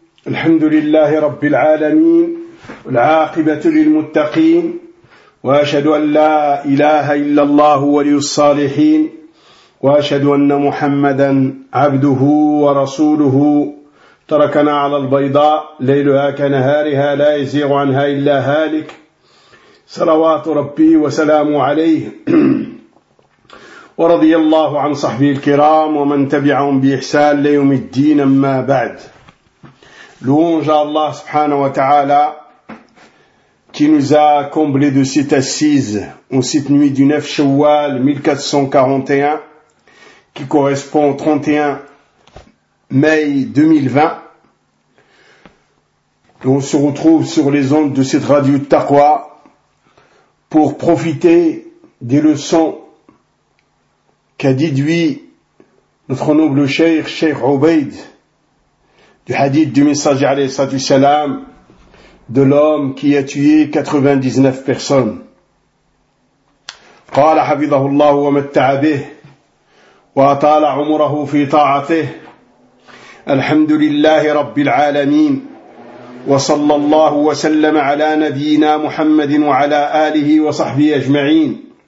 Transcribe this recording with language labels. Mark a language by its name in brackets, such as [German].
[Arabic] الحمد لله رب العالمين والعاقبة للمتقين، وأشهد أن لا إله إلا الله ولي الصالحين، وأشهد أن محمدا عبده ورسوله. تركنا على البيضاء ليلها كنهارها لا يزيغ عنها إلا هالك، صلوات ربي وسلامه عليه ورضي الله عن صحبه الكرام ومن تبعهم بإحسان ليوم الدين. أما بعد، لونج الله سبحانه وتعالى [French] qui nous a comblé de cette assise en cette nuit du 9 Shawwal 1441 qui correspond au 31 mai 2020. On se retrouve sur les ondes de cette radio de Taqwa pour profiter des leçons qu'a déduit notre noble cheikh, Cheikh Obeid, du hadith du messager alayhi salatu salam, de l'homme qui a tué 99 personnes. [Arabic] قال حفظه الله ومتع به وأطال عمره في طاعته الحمد لله رب العالمين وصلى الله وسلم على نبينا محمد وعلى آله وصحبه أجمعين.